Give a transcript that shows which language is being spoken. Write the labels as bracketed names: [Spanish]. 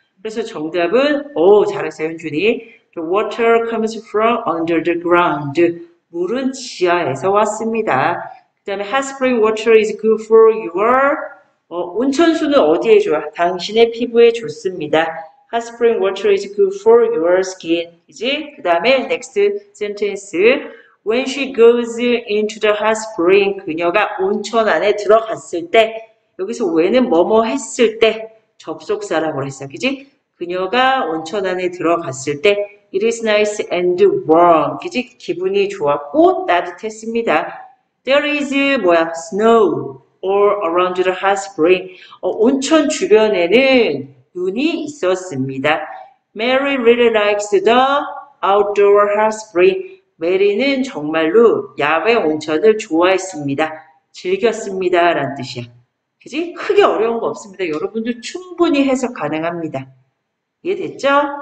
[Korean] 그래서 정답은, 오, 잘했어요, 현준이. [English] The water comes from under the ground. [Korean] 물은 지하에서 왔습니다. [English] 그 다음에 hot spring water is good for your, [Korean] 온천수는 어디에 좋아? 당신의 피부에 좋습니다. [English] Hot spring water is good for your skin. [Korean] 그지? 그 다음에 next sentence. [English] When she goes into the hot spring, [Korean] 그녀가 온천 안에 들어갔을 때, 여기서 when은 뭐뭐 했을 때, 접속사라고 했어, 그지? 그녀가 온천 안에 들어갔을 때, [English] it is nice and warm, [Korean] 그지? 기분이 좋았고 따뜻했습니다. [English] There is, 뭐야, snow all around the hot spring. [Korean] 온천 주변에는 눈이 있었습니다. [English] Mary really likes the outdoor hot spring. [Korean] 메리는 정말로 야외 온천을 좋아했습니다. 즐겼습니다. 라는 뜻이야. 그지? 크게 어려운 거 없습니다. 여러분들 충분히 해석 가능합니다. 이해됐죠?